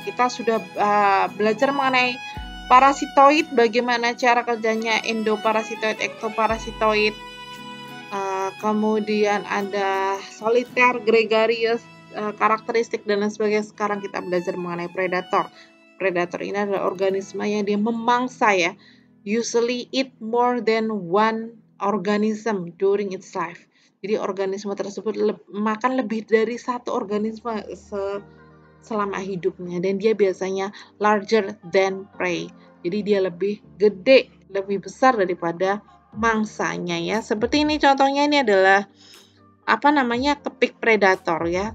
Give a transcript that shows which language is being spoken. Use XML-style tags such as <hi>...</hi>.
<id>Kita sudah belajar mengenai parasitoid, bagaimana cara kerjanya, endoparasitoid, ektoparasitoid. Kemudian ada solitaire, gregarious, karakteristik, dan lain sebagainya. Sekarang kita belajar mengenai predator. Predator ini adalah organisme yang dia memangsa ya.</id> <en>Usually eat more than one organism during its life.</en> <id>Jadi organisme tersebut makan lebih dari satu organisme selama hidupnya, dan dia biasanya</id> <en>larger than prey.</en> <id>Jadi dia lebih gede, lebih besar daripada mangsanya ya. Seperti ini contohnya, ini adalah apa namanya, kepik predator ya.</id>